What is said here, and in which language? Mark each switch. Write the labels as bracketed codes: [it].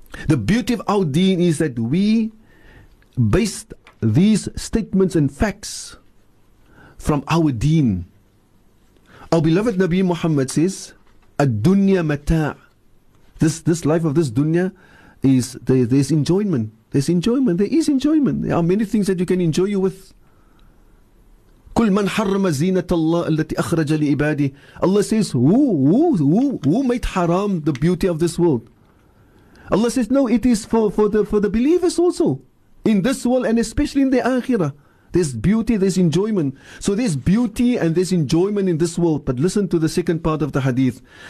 [en] The beauty of our deen is that we base these statements and facts from our deen. Our beloved Nabi Muhammad says, [ar] "Ad-dunya mata'." [en] This life of this dunya is there's enjoyment. There's enjoyment. There is enjoyment. There are many things that you can enjoy you with. [ar] كل من حرم زينة الله التي أخرج لعباده. [en] Allah says, who made haram the beauty of this world? Allah says, no, it is for the believers also. In this world and especially in the Akhirah. There's beauty, there's enjoyment. So there's beauty and there's enjoyment in this world. But listen to the second part of the hadith.